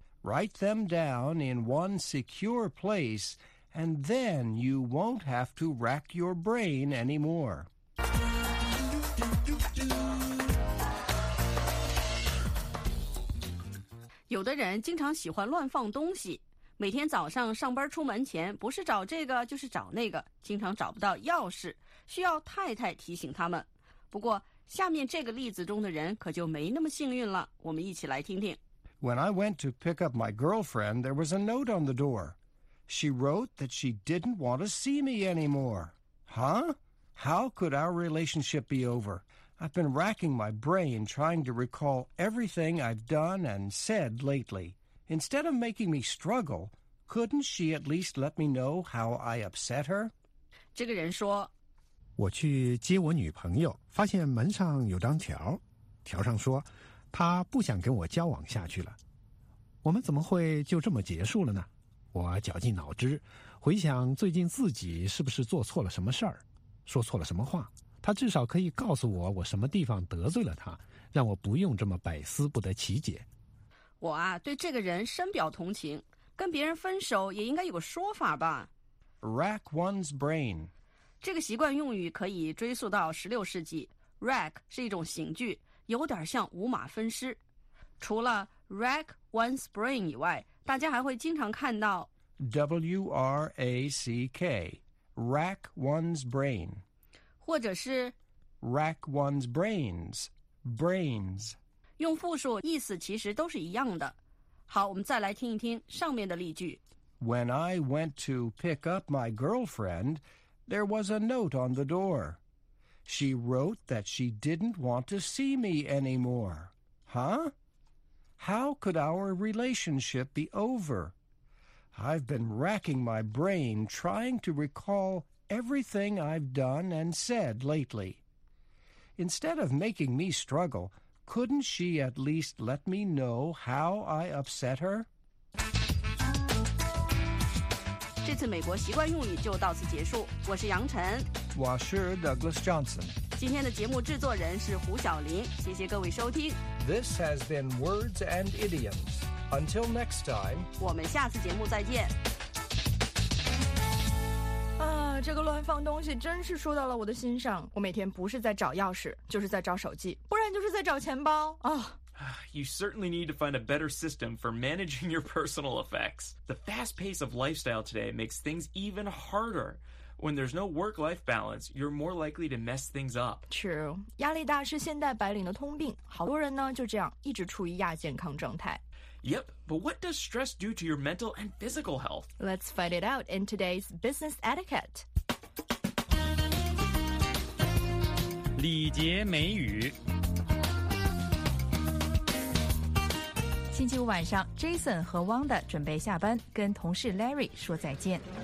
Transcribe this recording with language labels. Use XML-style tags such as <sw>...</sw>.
<en>Write them down in one secure place, and then you won't have to rack your brain anymore. Some people like to put things in the wrong place.</en> <zh>每天早上上班出门前，不是找这个就是找那个，经常找不到钥匙，需要太太提醒他们。不过下面这个例子中的人可就没那么幸运了，我们一起来听听。</zh> <en>When I went to pick up my girlfriend, there was a note on the door. She wrote that she didn't want to see me anymore. Huh? How could our relationship be over? I've been racking my brain trying to recall everything I've done and said lately. Instead of making me struggle, couldn't she at least let me know how I upset her?</en> <zh>这个人说，我去接我女朋友，发现门上有张条，条上说，她不想跟我交往下去了。我们怎么会就这么结束了呢？我绞尽脑汁，回想最近自己是不是做错了什么事儿，说错了什么话。她至少可以告诉我，我什么地方得罪了她，让我不用这么百思不得其解。我啊，对这个人深表同情，跟别人分手也应该有个说法吧。</zh> <en>Rack one's brain.</en> <zh>这个习惯用语可以追溯到16世纪。 Rack 是一种刑具，有点像五马分尸。除了 rack one's brain 以外，大家还会经常看到</zh> <en>W-R-A-C-K, rack one's brain.</en> <zh>或者是</zh> <en>rack one's brains, brains.</en> <zh>用复数意思其实都是一样的。好，我们再来听一听上面的例句。</zh> <en>When I went to pick up my girlfriend, there was a note on the door. She wrote that she didn't want to see me anymore. Huh? How could our relationship be over? I've been racking my brain trying to recall everything I've done and said lately. Instead of making me struggle... Couldn't she at least let me know how I upset her?</en> <zh>这次美国习惯用语就到此结束。我是杨晨。我是 Douglas Johnson。今天的节目制作人是胡晓林。谢谢各位收听。</zh> <en>This has been Words and Idioms. Until next time.</en> <zh>我们下次节目再见。啊，这个乱放东西真是说到了我的心上。我每天不是在找钥匙，就是在找手机，不然就是在找钱包啊。</zh> <en>You certainly need to find a better system for managing your personal effects. The fast pace of lifestyle today makes things even harder. When there's no work-life balance, you're more likely to mess things up. True.</en> <zh>压力大是现代白领的通病，好多人呢就这样一直处于亚健康状态。</zh> <en>Yep, but what does stress do to your mental and physical health? Let's find it out in today's business etiquette.</en> <zh>礼节美语。星期五晚上 ，Jason 和 Wanda 准备下班，跟同事 Larry 说再见。</zh>